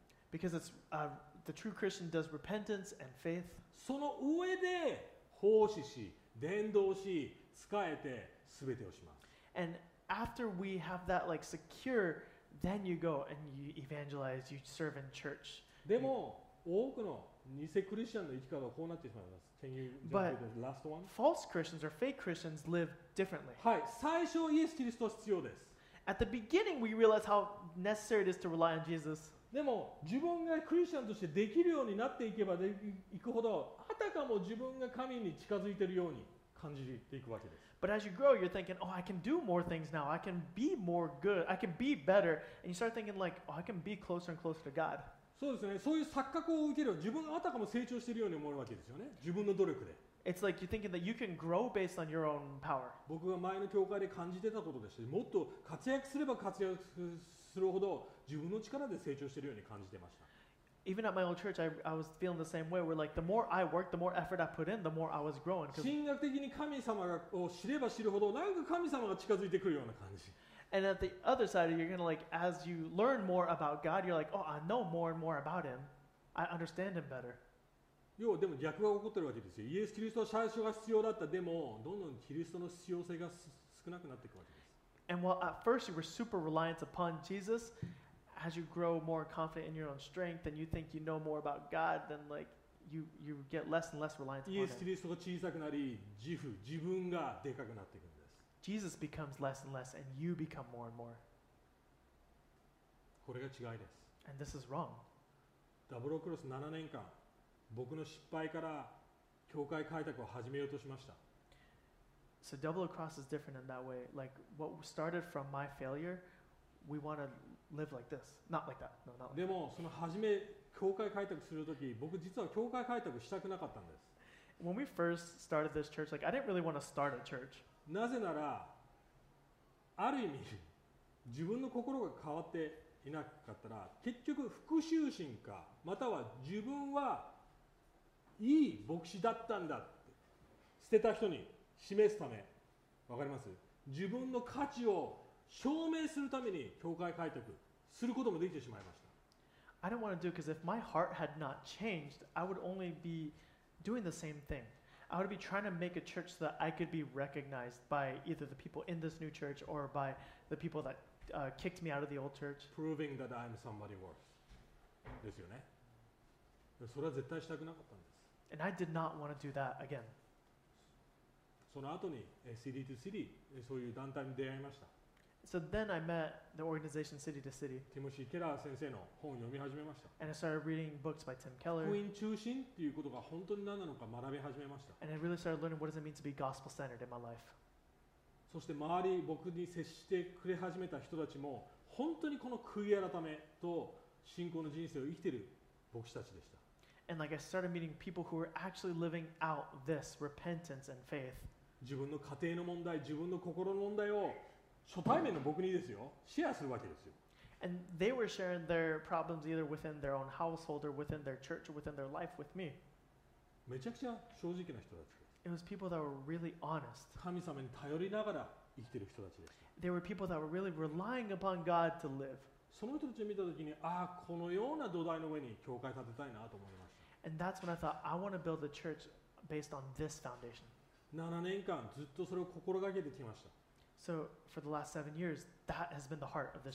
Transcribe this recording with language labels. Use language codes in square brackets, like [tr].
[en] Because it's the true Christian does repentance and faith. [ja] その上で奉仕し、伝道し、使えて全てをします。 [en] And after we have that like secure, then you go and you evangelize, you serve in church. [ja] でも多くの偽クリスチャンの生き方はこうなってしまいます。 [en] Can you jump to the last one? False Christians or fake Christians live differently. [ja] はい、最初イエス・キリストは必要です。 [en] At the beginning, we realize how necessary it is to rely on Jesus. [ja] でも自分がクリスチャンとしてできるようになっていけばいくほど、あたかも自分が神に近づいているように感じていくわけです。 [en] But as you grow, you're thinking, oh, I can do more things now. I can be more good. I can be better. And you start thinking like, oh, I can be closer and closer to God. [ja] そうですね。そういう錯覚を受けるよ。自分があたかも成長しているように思うわけですよね。自分の努力で。 [en] It's like you're thinking that you can grow based on your own power. [ja] 僕が前の教会で感じてたことでした。もっと活躍すれば活躍するほど自分の力で成長しているように感じてました。 [en] Even at my old church, I was feeling the same way. We're like, the more I work, the more effort I put in, the more I was growing. [ja] 神学的に神様を知れば知るほど、なんか神様が近づいてくるような感じ。 [en] And at the other side, you're gonna like, as you learn more about God, you're like, oh, I know more and more about Him. I understand Him better. [ja] 要はでも逆が起こってるわけですよ。イエス・キリストは最初が必要だった。でもどんどんキリストの必要性が少なくなっていくわけです。 [en] And while at first you were super reliant upon Jesus, as you grow more confident in your own strength and you think you know more about God, then like you get less and less reliant upon Him. [ja] イエス・キリストが小さくなり、自分がでかくなっていく。 [en] Jesus becomes less and less, and you become more and more. [ja] これが違いです。 [en] And this is wrong. [ja] ダブロクロス7年間、僕の失敗から教会開拓を始めようとしました。 [en] So double cross is different in that way. Like what started from my failure, we want to live like this, not like that. No, not like [ja] でもその初め教会開拓するとき、僕実は教会開拓したくなかったんです。 [en] When we first started this church, like I didn't really want to start a church. [ja] なぜならある意味自分の心が変わっていなかったら結局復讐心かまたは自分はいい牧師だったんだって捨てた人に示すためわかります自分の価値を証明するために教会開拓することもできてしまいました [en] I don't want to do because if my heart had not changed I would only be doing the same thingI would be trying to make a church so that I could be recognized by either the people in this new church or by the people that kicked me out of the old church. Proving that I'm somebody worth. [ja] ですよね。それは絶対したくなかったんです。 [en] And I did not want to do that again. [ja] その後に City to City、そういう団体に出会いました。 [en] So then I met the organization City to City. [ja] ティモシー・ケラー先生の本を読み始めました。 [en] And I started reading books by Tim Keller. [ja] 福音中心っていうことが本当に何なのか学び始めました。 [en] And I really started learning what does it mean to be gospel-centered in my life. [ja] そして周り僕に接してくれ始めた人たちも本当にこの悔い改めと信仰の人生を生きている牧師たちでした。 [en] And like I started meeting people who were actually living out this repentance and faith. [ja] 自分の家庭の問題、自分の心の問題を初対面の僕にですよ、シェアするわけですよ。 [en] And they were sharing their problems either within their own household or within their church or within their life with me. [ja] めちゃくちゃ正直な人たち。 [en] It was people that were really honest. [ja] 神様に頼りながら生きている人たちです。 [en] They were people that were really relying upon God to live. [ja] その人たちを見たときに、ああ、このような土台の上に教会建てたいなと思いました。 [en] And that's when I thought, I want to build a church based on this foundation. [ja] 7年間ずっとそれを心がけてきました。 [en] So for the last 7 years, that has been the heart of this church.